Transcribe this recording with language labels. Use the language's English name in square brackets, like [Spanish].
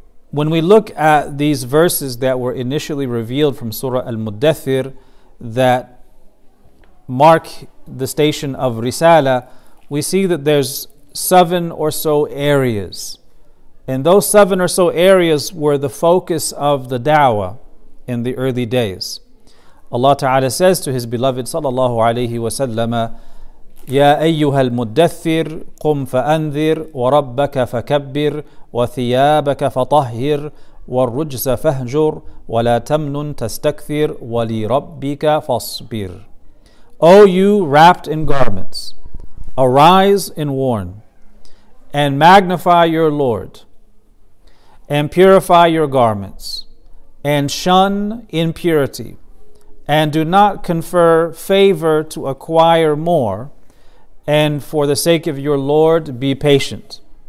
[English] When we look at these verses that were initially revealed from Surah Al-Muddathir that mark the station of Risala, we see that there's seven or so areas. And those seven or so areas were the focus of the da'wah in the early days. Allah Ta'ala says to His beloved sallallahu alayhi wa sallam, [Arabic] يَا أَيُّهَا الْمُدَّثِّرُ قُمْ فَأَنذِرْ وَرَبَّكَ فَكَبِّرْ وَثِيَابَكَ فَطَهِّرْ وَالرُّجْسَ فَهْجُرْ وَلَا تَمْنُنْ تَسْتَكْثِرْ وَلِرَبِّكَ فَصْبِرْ. [English] O you wrapped in garments, arise and warn, and magnify your Lord, and purify your garments, and shun impurity, and do not confer favor to acquire more, and for the sake of your Lord, be patient.